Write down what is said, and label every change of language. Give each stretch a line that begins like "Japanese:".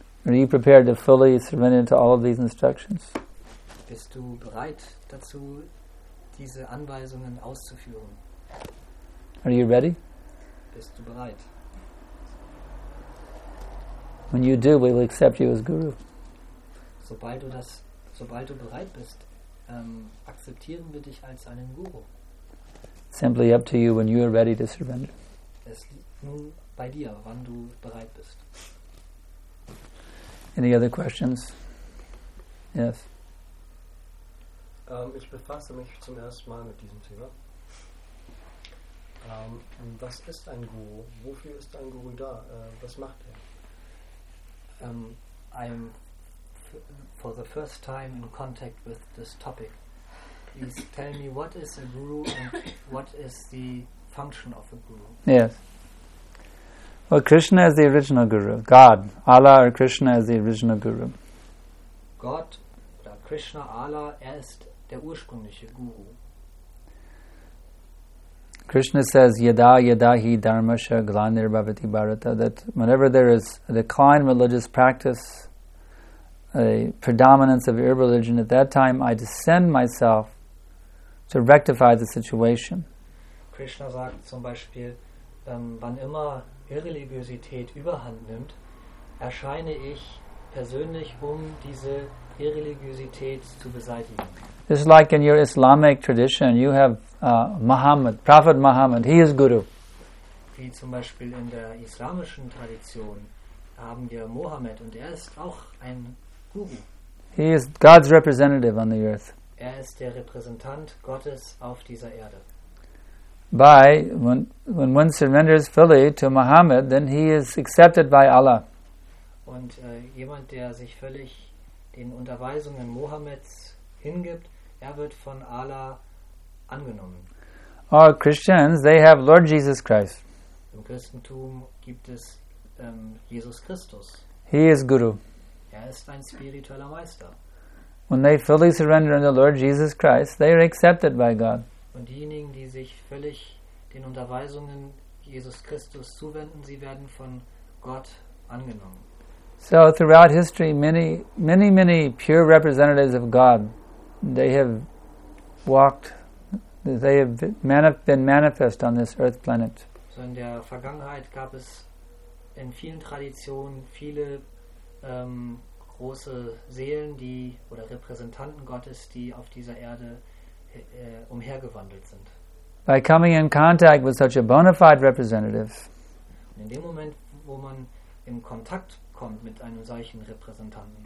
English: Are you prepared to fully surrender to all of these instructions?
German: Bist du bereit dazu, diese Anweisungen auszuführen?
English: Are you ready?
German: Bist du bereit?
English: When you do, we'll accept you as guru.
German: Sobald du bereit bist, akzeptieren wir dich als einen Guru.
English: Simply up to you when you are ready to surrender.
German: Es liegt nun bei dir, wann du bereit bist.
English: Any other questions? Yes.
German: Ich befasse mich zum ersten Mal mit diesem Thema. Was ist ein Guru? Wofür ist ein Guru da? Was macht er?
English: For the first time in contact with this topic, please tell me what is a guru and what is the function of a guru? Yes. Well, Krishna is the original guru. God, Allah or Krishna is the original guru.
German: God, oder Krishna, Allah, er ist der ursprüngliche Guru.
English: Krishna says,
Sanskrit: yada yadahi dharmasya glanir bhavati bharata,
English: that whenever there is a decline in religious practice, a predominance of irreligion, at that time I descend myself to rectify the situation.
German: Krishna sagt zum Beispiel, wann immer Irreligiosität überhand nimmt, erscheine ich persönlich, um diese Irreligiosität zu beseitigen.
English: This is like in your Islamic tradition, you have Muhammad, Prophet Muhammad, he is Guru.
German: Wie zum Beispiel in der islamischen Tradition haben wir Mohammed und ist auch ein Guru.
English: He is God's representative on the earth.
German: Ist der Repräsentant Gottes auf dieser Erde.
English: By when one surrenders fully to Muhammad, then he is accepted by Allah.
German: Und jemand, der sich völlig den Unterweisungen Mohammeds hingibt, wird von Allah angenommen.
English: All Christians, they have Lord Jesus Christ.
German: Im Christentum gibt es Jesus Christus.
English: He is Guru.
German: Ist ein spiritueller Meister.
English: When they fully surrender unto Lord Jesus Christ, they are accepted by God.
German: Und diejenigen, die sich völlig den Unterweisungen Jesus Christus zuwenden, sie werden von Gott angenommen.
English: So throughout history, many pure representatives of God, they have been manifest on this earth planet.
German: So in der Vergangenheit gab es in vielen Traditionen viele große Seelen, die oder Repräsentanten Gottes, die auf dieser Erde umhergewandelt sind.
English: By coming in contact with such a bona fide representative.
German: Und in dem Moment, wo man in Kontakt kommt mit einem solchen Repräsentanten